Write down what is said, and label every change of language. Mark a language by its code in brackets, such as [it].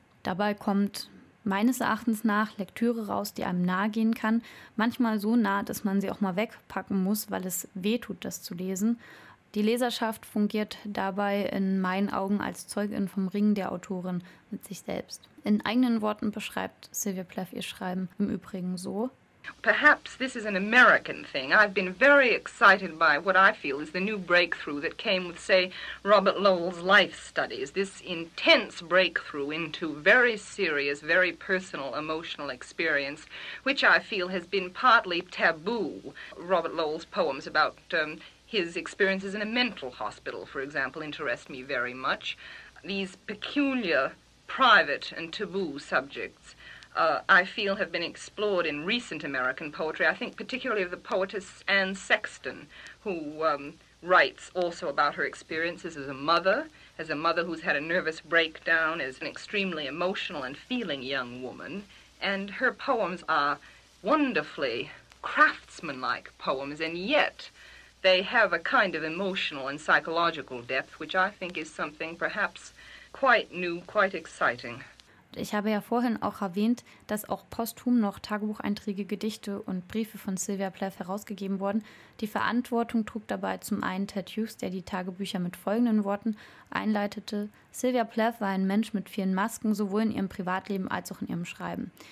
[de] Dabei kommt meines Erachtens nach Lektüre raus, die einem nahe gehen kann. Manchmal so nah, dass man sie auch mal wegpacken muss, weil es wehtut, das zu lesen. Die Leserschaft fungiert dabei in meinen Augen als Zeugin vom Ring der Autorin mit sich selbst. In eigenen Worten beschreibt Sylvia Plath ihr Schreiben im Übrigen so: [en] Perhaps this is an American thing. I've been very excited by what I feel is the new breakthrough that came with, say, Robert Lowell's Life Studies. This intense breakthrough into very serious, very personal emotional experience, which I feel has been partly taboo. Robert Lowell's poems about his experiences in a mental hospital, for example, interest me very much. These peculiar, private and taboo subjects I feel have been explored in recent American poetry. I think particularly of the poetess Anne Sexton, who writes also about her experiences as a mother who's had a nervous breakdown, as an extremely emotional and feeling young woman. And her poems are wonderfully craftsmanlike poems, and yet they have a kind of emotional and psychological depth, which I think is something perhaps quite new, quite exciting. [de] Ich habe ja vorhin auch erwähnt, dass auch posthum noch Tagebucheinträge, Gedichte und Briefe von Sylvia Plath herausgegeben wurden. Die Verantwortung trug dabei zum einen Ted Hughes, der die Tagebücher mit folgenden Worten einleitete: Sylvia Plath war ein Mensch mit vielen Masken, sowohl in ihrem Privatleben als auch in ihrem Schreiben.